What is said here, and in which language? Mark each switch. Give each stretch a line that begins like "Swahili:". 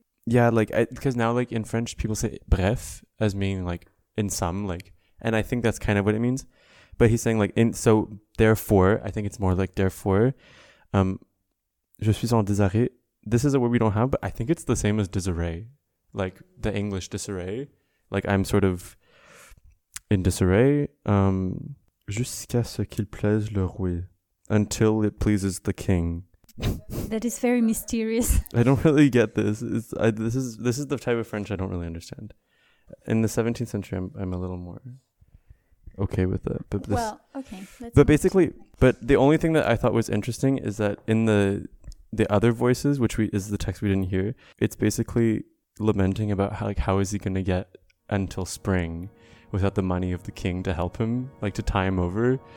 English: Yeah, like, because now, like, in French, people say bref as meaning like in sum, like, and I think that's kind of what it means. But he's saying, like, in so therefore, I think it's more like therefore.
French: Je suis en désarray.
English: This is a word we don't have, but I think it's the same as disarray, like the English disarray. Like, I'm sort of in disarray.
French: Jusqu'à ce qu'il plaise le roi.
English: Until it pleases the king. That is very mysterious. I don't really get this. This is the type of French I don't really understand. In the 17th century, I'm a little more okay with it. But this, well, okay. But basically, but the only thing that I thought was interesting is that in the other voices, which is the text we didn't hear, it's basically lamenting about how, like, how is he going to get until spring without the money of the king to help him, like, to tie him over.